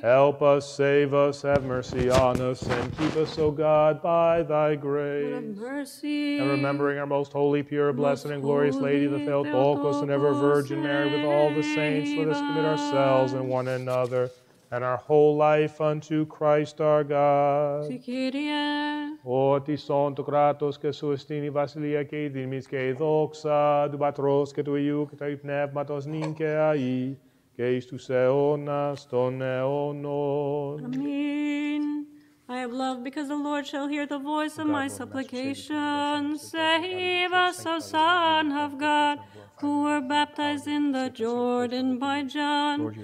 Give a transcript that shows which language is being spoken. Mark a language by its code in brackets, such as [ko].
[en] Help us, save us, have mercy on us, and keep us, O God, by thy grace. Have mercy. And remembering our most holy, pure, blessed, and glorious Lady, the Theotokos, and ever Virgin Mary, with all the saints, let us commit ourselves and one another, and our whole life unto Christ our God. [el] Ότι σον το κράτος και σου εστίν η βασιλεία και η δύναμις και η δόξα του Πατρός και του Υιού και του Πνεύματος νυν και αεί και εις τους αιώνας των αιώνων. Αμήν. [en] I have loved because the Lord shall hear the voice of my supplication. Save us, O Son of God, who were baptized in the Jordan by John.